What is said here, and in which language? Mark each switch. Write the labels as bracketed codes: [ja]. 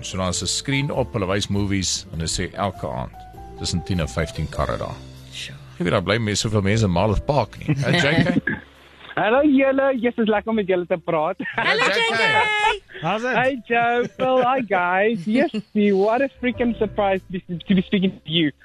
[af] So daar's 'n skerm op, hulle wys movies en hulle sê elke aand tussen 10 en 15 karre daar. Sure. Ek weet daar bly mee soveel mense in Marloth Park nie. JK? Hallo julle, yes, is lekker om met julle te praat. Hallo JK! [en] How's it? Hi Joe, well, hi guys. Yes, see, what a freaking surprise to be speaking to you.